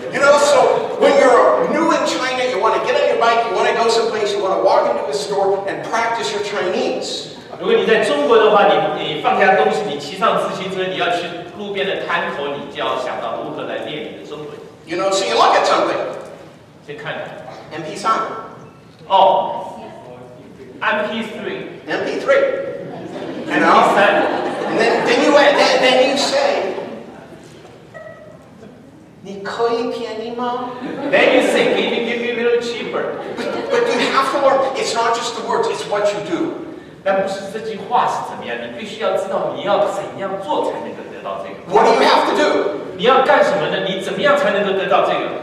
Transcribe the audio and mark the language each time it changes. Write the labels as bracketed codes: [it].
[en] You know, so when you're new in China, you want to get on your bike, you want to go someplace, you want to walk into a store and practice your Chinese. [zh] 如果你在中国的话 你放下东西你骑上自行车你要去路边的摊头你就要想到如何来练你的中文 [en] You know, so you look at something [zh] 先看 [en] MP3 MP3 MP3 You know And then you say [zh] 你可以便宜吗 [en] Then you say give me a little cheaper But you have to learn It's not just the words, it's what you doDon't just say this words. How are you? [zh] You 必须要知道你要怎样做才能够得到这个。 [en] What do you have to do? [zh] 你要干什么呢？你怎么样才能够得到这个